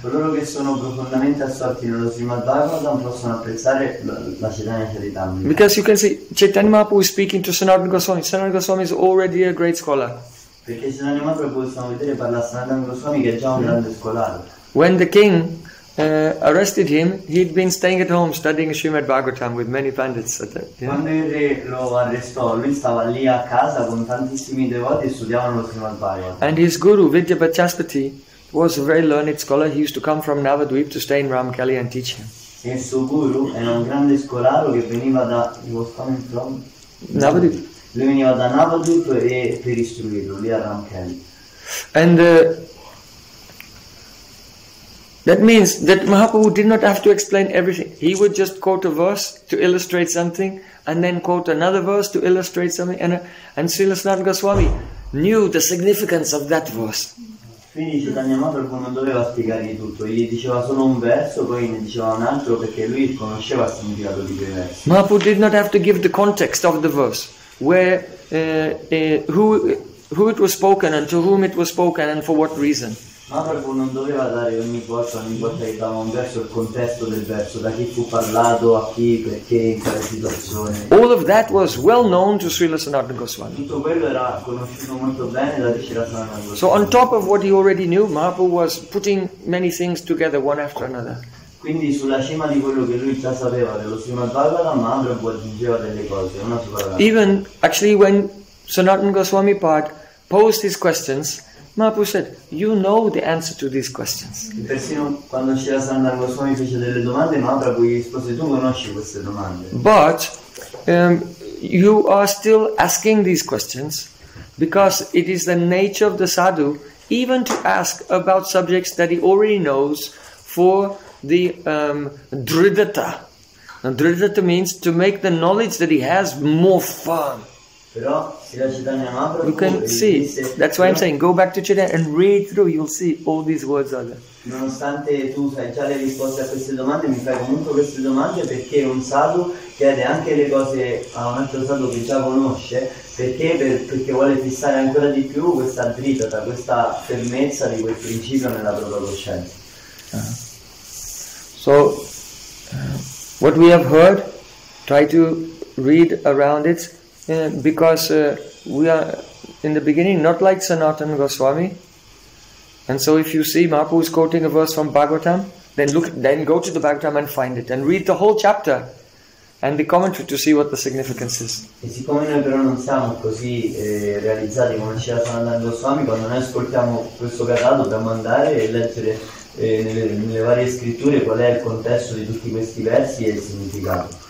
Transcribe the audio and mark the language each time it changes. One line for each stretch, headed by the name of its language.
Italian: Coloro che sono profondamente assorti nello Srimad Bhagavatam possono apprezzare la Chaitanya Charitamrita.
English: Because you can see Chaitanya Mahaprabhu is speaking to Sanatana Goswami. Sanatana Goswami is already a great scholar.
Italian: Perché Chaitanya Mahaprabhu possiamo vedere parla a Sanatana Goswami che è già un grande scolaro.
English: When the king arrested him, he'd been staying at home studying Srimad Bhagavatam with many pandits. At that, yeah.
Italian: Quando il re lo arrestò, lui stava lì a casa con tantissimi devoti e studiavano lo Srimad Bhagavatam.
English: And his guru, Vidya Bachaspati, was a very learned scholar. He used to come from Navadvip to stay in Ramkali and teach him.
Italian: E il suo guru era un grande scolaro che veniva da...
English: He was coming from... Navadvip.
Italian: Lui veniva da Navadvip per istruirlo, lì a Ramkali.
English: And... That means that Mahaprabhu did not have to explain everything. He would just quote a verse to illustrate something and then quote another verse to illustrate something. And Srila Sanatana Goswami knew the significance of that verse.
Italian: Quindi Chaitanya Mahaprabhu non doveva spiegargli tutto. Gli diceva solo un verso, poi ne diceva un altro perché lui conosceva il significato di quel verso.
English: Mahaprabhu did not have to give the context of the verse. Where, who it was spoken and to whom it was spoken and for what reason.
Italian: Mahaprabhu non doveva dare ogni volta che dava un verso il contesto del verso, da chi fu parlato, a chi, perché, in quale situazione.
English: All of that was well known to Srila Sanatana Goswami.
Italian: Tutto quello era conosciuto molto bene da Srila Sanatana Goswami.
English: So on top of what he already knew, Mahaprabhu was putting many things together one after another.
Italian: Quindi sulla cima di quello che lui già sapeva dello Srimad Bhagavatam, Mahaprabhu aggiungeva delle cose, una sopra l'altra.
English: Even actually when Sanatana Goswami Pad posed his questions, Mahaprabhu said, "You know the answer to these questions."
Italian: Persino quando Srila Sanatana Goswami fece delle domande, Mahaprabhu gli rispose, "Tu conosci queste domande."
English: But you are still asking these questions because it is the nature of the sadhu even to ask about subjects that he already knows for the dridhata. Dridhata means to make the knowledge that he has more firm.
Italian: Però
English: You can see. That's why I'm saying, go back to Chaitanya and read through. You'll see all these words are there.
Italian: Nonostante tu sai già le risposte a queste domande, mi fai comunque queste domande perché un sadhu chiede anche le cose a un altro sadhu che già conosce, perché vuole fissare ancora di più questa dritta, questa fermezza di quel principio nella propria coscienza.
English: So, what we have heard, try to read around it, because we are in the beginning not like Sanatana Goswami. And so if you see Mahaprabhu is quoting a verse from Bhagavatam, then go to the Bhagavatam and find it and read the whole chapter and the commentary to see what the significance is.
Italian: E siccome noi però non siamo così realizzati come ci sta andando Goswami, quando noi ascoltiamo questo canale dobbiamo andare e leggere nelle varie scritture qual è il contesto di tutti questi versi e il significato.